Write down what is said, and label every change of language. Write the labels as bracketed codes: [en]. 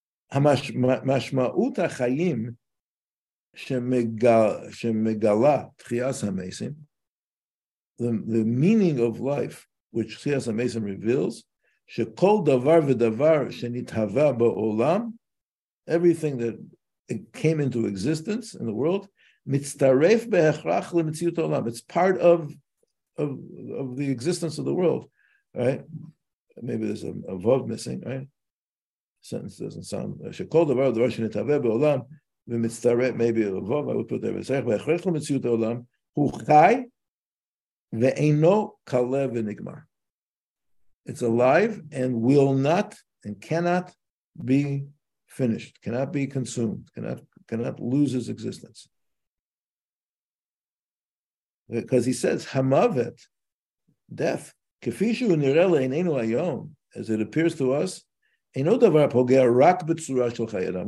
[he] המשמעות החיים שמגלה תחיית המתים, [en] the meaning of life which [he] תחיית המתים [en] reveals, [he] שכל דבר ודבר שנתהווה בעולם, [en] everything that came into existence in the world, [he] מצטרף בהכרח למציאות העולם. [en] It's part of the existence of the world, right? Maybe there's a vav missing, right? Sentence doesn't sound. [he] שכל דבר דבר שנתהווה בעולם ומצטרף, [en] maybe a vav, I would put there, [he] מצטרף בהכרח למציאות העולם, הוא חי ואינו קלה ונגמר. [en] It's alive and will not and cannot be finished, cannot be consumed, cannot lose its existence. Because he says, [he] "Hamavet, [en] death, [he] kefishu nireh le'einenu hayom, [en] as it appears to us, [he] eino davar pogea rak b'tzurah shel chayei adam."